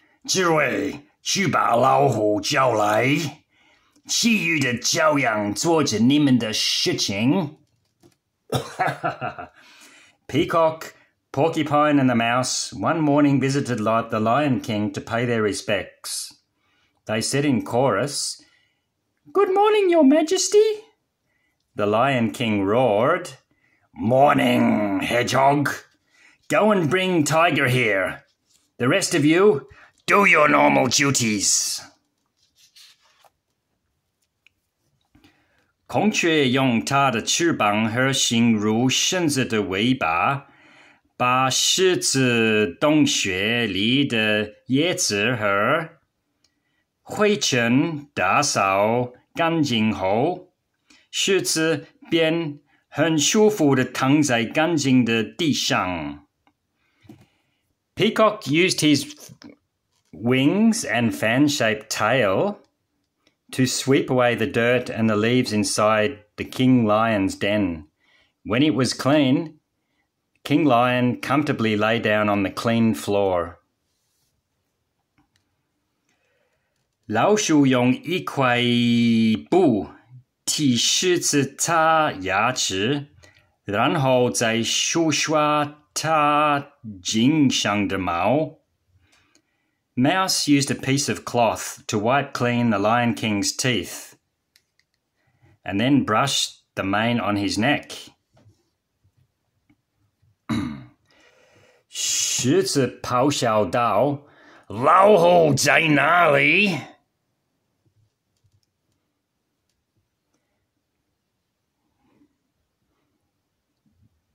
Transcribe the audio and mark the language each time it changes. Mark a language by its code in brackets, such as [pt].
[zh] 刺猬，去把老虎叫来，其余的照样做着你们的事情。 [en] Peacock, porcupine, and the mouse one morning visited the Lion King to pay their respects. They said in chorus, "Good morning, Your Majesty." The Lion King roared, "Morning, hedgehog. Go and bring Tiger here. The rest of you, do your normal duties." [zh] 孔雀用它的翅膀和形如狮子的尾巴，把狮子洞穴里的叶子和灰尘打扫干净后，狮子便很舒服地躺在干净的地上。 [en] Peacock used his wings and fan-shaped tail to sweep away the dirt and the leaves inside the king lion's den. When it was clean, King Lion comfortably lay down on the clean floor. [zh] 老鼠用一块布替狮子擦牙齿，然后再梳刷它颈上的毛。 [en] Mouse used a piece of cloth to wipe clean the Lion King's teeth and then brushed the mane on his neck. [zh] 狮子咆哮道："老虎在哪里？"